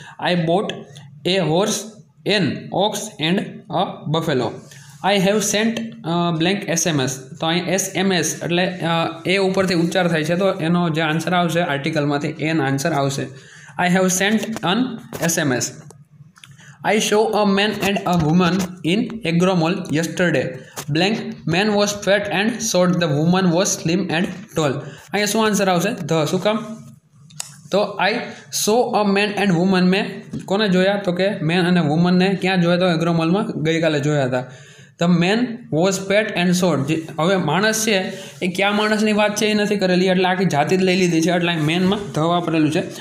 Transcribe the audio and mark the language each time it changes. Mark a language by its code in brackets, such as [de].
[en] I bought a horse an ox and a buffalo. I have sent blank SMS. [gu] તો અહીં SMS, એટલે એ ઉપરથી ઉચ્ચાર થાય છે, તો એનો જે આન્સર આવશે આર્ટિકલમાંથી એન આન્સર આવશે. [en] I have sent an SMS. I show a man and a woman in agro mall yesterday. Blank man was fat and short. The woman was slim and tall. [gu] અહીંયા શું answer આવશે? The. શું કામ? તો [en] I saw a man and woman, [gu] મેં કોને જોયા? તો કે મેન અને વુમનને ક્યાં જોયા? તો એગ્રો મોલમાં ગઈકાલે જોયા હતા. [en] The man was fat and short. [gu] જે હવે માણસ છે એ ક્યાં માણસની વાત છે એ નથી કરેલી, એટલે આખી જાતિ જ લઈ લીધી છે, એટલે મેનમાં ધ વાપરેલું છે.